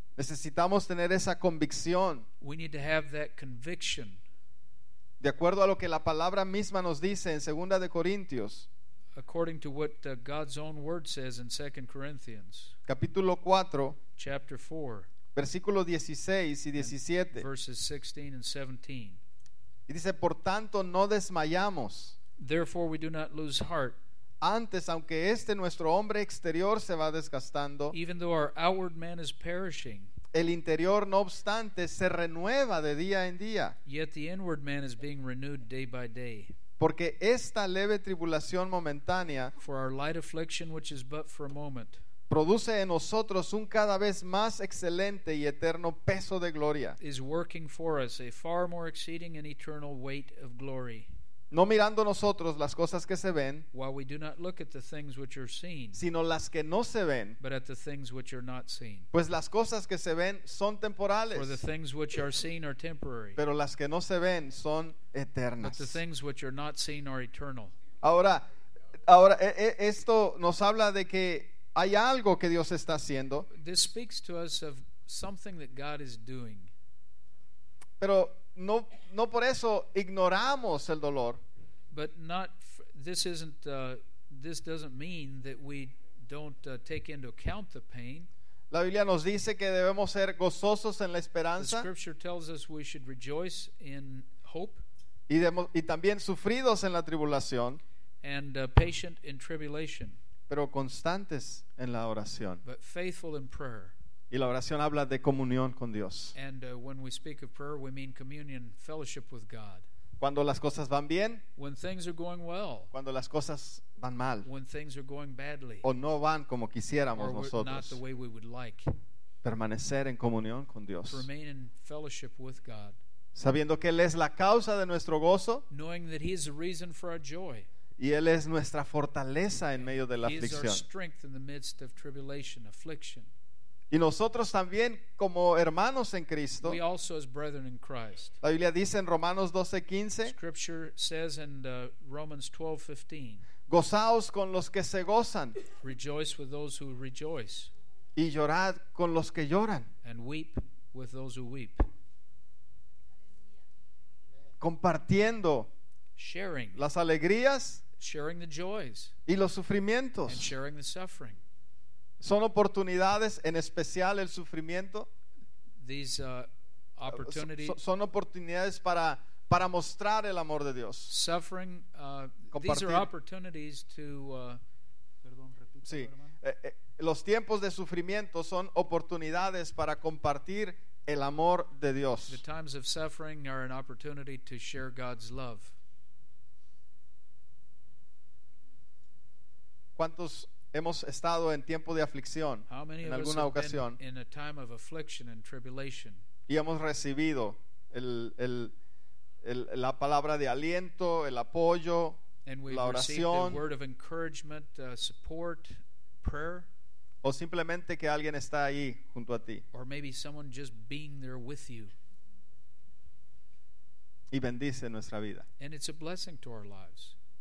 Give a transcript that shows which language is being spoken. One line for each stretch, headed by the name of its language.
Spanish: Necesitamos tener esa convicción.
English: We need to have that conviction.
Spanish: De acuerdo a lo que la palabra misma nos dice en 2 de Corintios.
English: According to what God's own word says in 2 Corinthians.
Spanish: Capítulo 4.
English: Chapter 4.
Spanish: Versículo 16 y 17.
English: Verses 16 and 17.
Spanish: Y dice, por tanto no desmayamos.
English: Therefore we do not lose heart.
Spanish: Antes, aunque este nuestro hombre exterior se va desgastando,
English: even though our outward man is perishing,
Spanish: el interior no obstante se renueva de día en día,
English: yet the inward man is being renewed day by day.
Spanish: Porque esta leve tribulación momentánea,
English: for our light affliction which is but for a moment,
Spanish: produce en nosotros un cada vez más excelente y eterno peso de gloria,
English: is working for us a far more exceeding and eternal weight of glory.
Spanish: No mirando nosotros las cosas que se ven,
English: while we do not look at the things which are seen,
Spanish: sino las que no se ven,
English: but at the things which are not seen.
Spanish: Pues las cosas que se ven son temporales,
English: for the things which are seen are temporary,
Spanish: pero las que no se ven son eternas,
English: but the things which are not seen are eternal.
Spanish: Ahora esto nos habla de que hay algo que Dios está haciendo.
English: This speaks to us of something that God is doing.
Spanish: Pero no por eso ignoramos el dolor.
English: But not this isn't this doesn't mean that we don't take into account the pain.
Spanish: La Biblia nos dice que debemos ser gozosos en la esperanza.
English: The scripture tells us we should rejoice in hope.
Spanish: Y también sufridos en la tribulación.
English: And patient in tribulation.
Spanish: Pero constantes en la oración.
English: But faithful in prayer.
Spanish: Y la oración habla de comunión con Dios.
English: And when we speak of prayer, we mean communion, fellowship with God.
Spanish: Cuando las cosas van bien.
English: When things are going well.
Spanish: Cuando las cosas van mal.
English: When things are going badly.
Spanish: O no van como quisiéramos nosotros.
English: Not the way we would like.
Spanish: Permanecer en comunión con Dios.
English: Remain in fellowship with God.
Spanish: Sabiendo que Él es la causa de nuestro gozo.
English: Knowing that He is the reason for our joy.
Spanish: Y Él es nuestra fortaleza en medio de la aflicción.
English: He is our strength in the midst of tribulation, affliction.
Spanish: Y nosotros también, como hermanos en Cristo,
English: we also as brethren in Christ.
Spanish: La Biblia dice en Romanos 12:15.
English: Scripture says in Romans 12:15.
Spanish: Gozaos con los que se gozan.
English: Rejoice with those who rejoice.
Spanish: Y llorad con los que lloran.
English: And weep with those who weep.
Spanish: Compartiendo
English: sharing,
Spanish: las alegrías
English: sharing the joys,
Spanish: y los sufrimientos.
English: And sharing the suffering.
Spanish: Son oportunidades, en especial el sufrimiento.
English: These, opportunities,
Spanish: son oportunidades para mostrar el amor de Dios.
English: Suffering,
Spanish: compartir.
English: These are opportunities to,
Spanish: perdón, repito, sí. Los tiempos de sufrimiento son oportunidades para compartir el amor de Dios.
English: The times of suffering are an opportunity to share God's love.
Spanish: ¿Cuántos hemos estado en tiempo de aflicción en alguna ocasión?
English: In a time of affliction and tribulation.
Spanish: Y hemos recibido la palabra de aliento, el apoyo,
English: and we've
Spanish: la oración.
English: Received the word of encouragement, support, prayer.
Spanish: O simplemente que alguien está ahí junto a ti.
English: Or maybe someone just being there with you.
Spanish: Y bendice nuestra vida.
English: And it's a blessing to our lives.